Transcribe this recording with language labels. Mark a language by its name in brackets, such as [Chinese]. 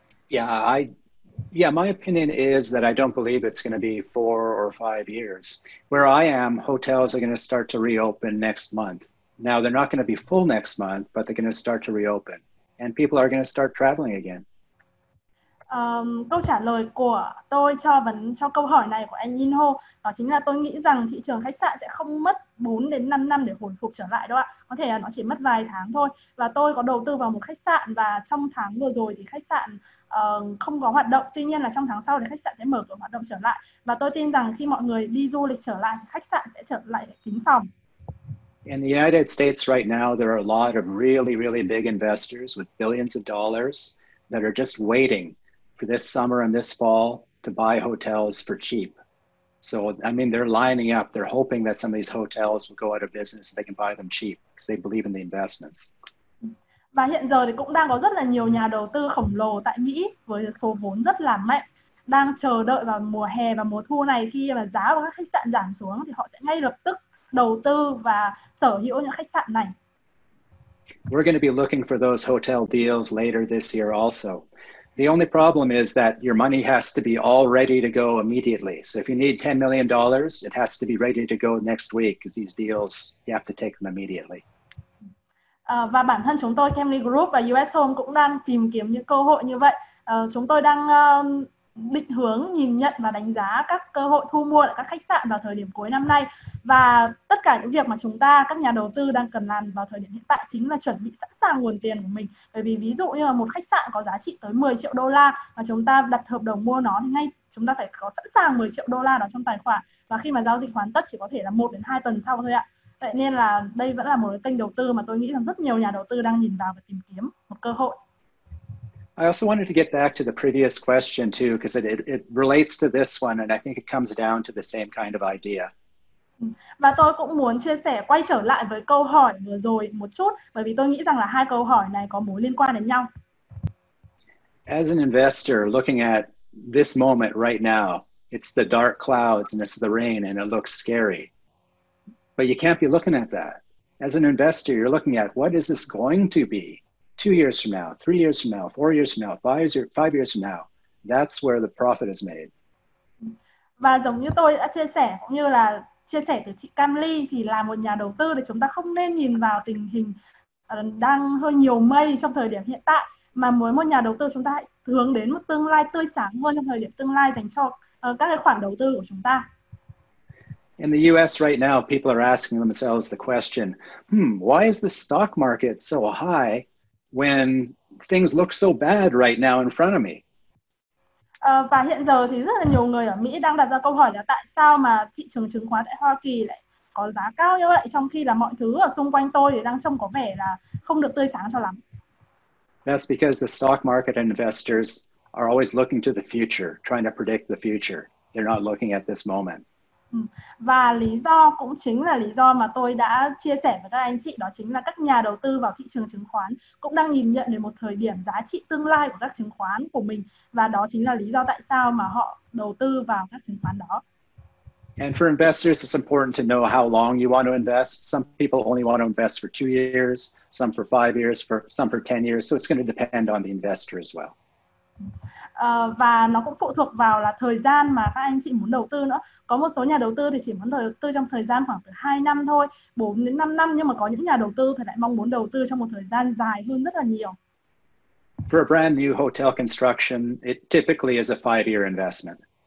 [English] Yeah, my opinion is that I don't believe it's going to be 4 or 5 years. Where I am, hotels are going to start to reopen next month. Now, they're not going to be full next month, but they're going to start to reopen. And people are going to start traveling again. [Vietnamese] Câu trả lời của tôi cho câu hỏi này của anh Inho đó chính là tôi nghĩ rằng thị trường khách sạn sẽ không mất 4 đến 5 năm để hồi phục trở lại đâu ạ. Có thể là nó chỉ mất vài tháng thôi. Và tôi có đầu tư vào một khách sạn và trong tháng vừa rồi thì khách sạn không có hoạt động. Tuy nhiên là trong tháng sau thì khách sạn sẽ mở cửa hoạt động trở lại. Và tôi tin rằng khi mọi người đi du lịch trở lại, khách sạn sẽ trở lại kín phòng. [English] In the United States right now, there are a lot of really, really big investors with billions of dollars that are just waiting for this summer and this fall to buy hotels for cheap. So, I mean, they're lining up. They're hoping that some of these hotels will go out of business so they can buy them cheap because they believe in the investments. [Vietnamese] Và hiện giờ thì cũng đang có rất là nhiều nhà đầu tư khổng lồ tại Mỹ với số vốn rất là mạnh đang chờ đợi vào mùa hè và mùa thu này, khi mà giá của các khách sạn giảm xuống thì họ sẽ ngay lập tức đầu tư và sở hữu những khách sạn này. [English] We're going to be looking for those hotel deals later this year also. The only problem is that your money has to be all ready to go immediately. So if you need $10 million, it has to be ready to go next week because these deals, you have to take them immediately. [Vietnamese] Và bản thân chúng tôi, Camry Group và US Home cũng đang tìm kiếm những cơ hội như vậy. Chúng tôi đang định hướng nhìn nhận và đánh giá các cơ hội thu mua lại các khách sạn vào thời điểm cuối năm nay. Và tất cả những việc mà chúng ta, các nhà đầu tư đang cần làm vào thời điểm hiện tại chính là chuẩn bị sẵn sàng nguồn tiền của mình. Bởi vì ví dụ như là một khách sạn có giá trị tới 10 triệu đô la và chúng ta đặt hợp đồng mua nó, ngay chúng ta phải có sẵn sàng 10 triệu đô la đó trong tài khoản. Và khi mà giao dịch hoàn tất chỉ có thể là 1 đến 2 tuần sau thôi ạ. Vậy nên là đây vẫn là một kênh đầu tư mà tôi nghĩ rằng rất nhiều nhà đầu tư đang nhìn vào và tìm kiếm một cơ hội. [English] I also wanted to get back to the previous question too, because it relates to this one, and I think it comes down to the same kind of idea. [Vietnamese] Và tôi cũng muốn chia sẻ quay trở lại với câu hỏi vừa rồi một chút, bởi vì tôi nghĩ rằng là hai câu hỏi này có mối liên quan đến nhau. [English] As an investor looking at this moment right now, it's the dark clouds and it's the rain and it looks scary. But you can't be looking at that. As an investor, you're looking at what is this going to be 2 years from now, 3 years from now, 4 years from now, 5 years from now. That's where the profit is made. [Vietnamese] Và giống như tôi đã chia sẻ, cũng như là chia sẻ từ chị Cam Ly, thì là một nhà đầu tư thì chúng ta không nên nhìn vào tình hình đang hơi nhiều mây trong thời điểm hiện tại, mà mỗi một nhà đầu tư chúng ta hãy hướng đến một tương lai tươi sáng hơn trong thời điểm tương lai dành cho các cái khoản đầu tư của chúng ta. [English] In the US right now, people are asking themselves the question, why is the stock market so high when things look so bad right now in front of me? [Vietnamese] Và hiện giờ thì rất là nhiều người ở Mỹ đang đặt ra câu hỏi là tại sao mà thị trường chứng khoán tại Hoa Kỳ lại có giá cao như vậy, trong khi là mọi thứ ở xung quanh tôi thì đang trông có vẻ là không được tươi sáng cho lắm. [English] That's because the stock market investors are always looking to the future, trying to predict the future. They're not looking at this moment. [Vietnamese] Và lý do cũng chính là lý do mà tôi đã chia sẻ với các anh chị, đó chính là các nhà đầu tư vào thị trường chứng khoán cũng đang nhìn nhận đến một thời điểm giá trị tương lai của các chứng khoán của mình, và đó chính là lý do tại sao mà họ đầu tư vào các chứng khoán đó. [English] And for investors, it's important to know how long you want to invest. Some people only want to invest for 2 years, some for 5 years, some for 10 years, so it's going to depend on the investor as well. [Vietnamese] Và nó cũng phụ thuộc vào là thời gian mà các anh chị muốn đầu tư nữa. Có một số nhà đầu tư thì chỉ muốn đầu tư trong thời gian khoảng từ 2 năm thôi, 4 đến 5 năm, nhưng mà có những nhà đầu tư thì lại mong muốn đầu tư trong một thời gian dài hơn rất là nhiều. [English] for a brand new hotel construction, it typically is a 5-year investment.